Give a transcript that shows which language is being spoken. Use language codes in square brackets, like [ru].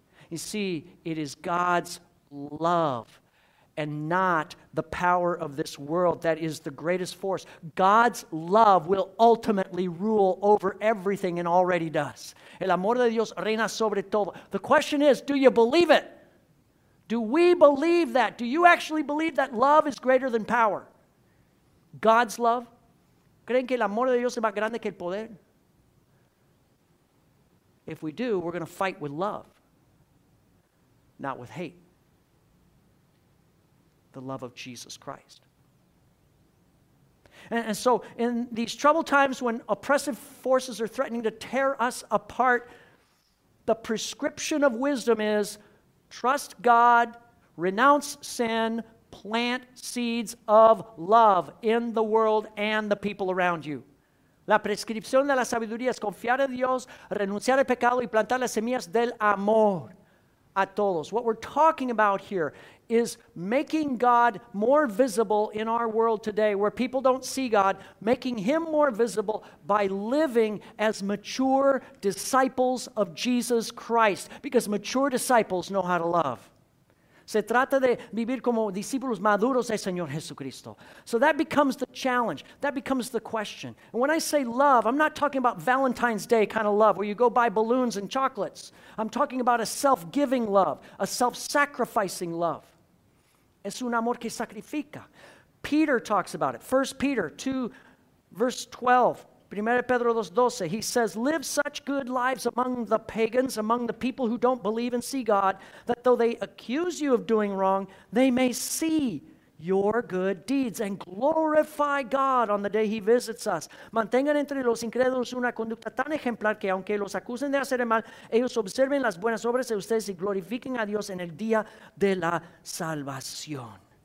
[en] You see, it is God's love and not the power of this world that is the greatest force. God's love will ultimately rule over everything and already does. [es] El amor de Dios reina sobre todo. [en] The question is, do you believe it? Do we believe that? Do you actually believe that love is greater than power? God's love? [es] ¿Creen que el amor de Dios es más grande que el poder? [en] If we do, we're going to fight with love, not with hate. The love of Jesus Christ. And so in these troubled times when oppressive forces are threatening to tear us apart, the prescription of wisdom is trust God, renounce sin, plant seeds of love in the world and the people around you. [es] La prescripción de la sabiduría es confiar en Dios, renunciar al pecado y plantar las semillas del amor a todos. [en] What we're talking about here is making God more visible in our world today, where people don't see God, making Him more visible by living as mature disciples of Jesus Christ, because mature disciples know how to love. [es] Se trata de vivir como discípulos maduros del Señor Jesucristo. [en] So that becomes the challenge. That becomes the question. And when I say love, I'm not talking about Valentine's Day kind of love where you go buy balloons and chocolates. I'm talking about a self-giving love, a self-sacrificing love. [es] Es un amor que sacrifica. [en] Peter talks about it. 1 Peter 2, verse 12. Primera Pedro 2:12, he says, live such good lives among the pagans, among the people who don't believe and see God, that though they accuse you of doing wrong, they may see your good deeds and glorify God on the day He visits us. [es] Mantengan entre los incrédulos una conducta tan ejemplar que aunque los acusen de hacer el mal, ellos observen las buenas obras de ustedes y glorifiquen a Dios en el día de la salvación.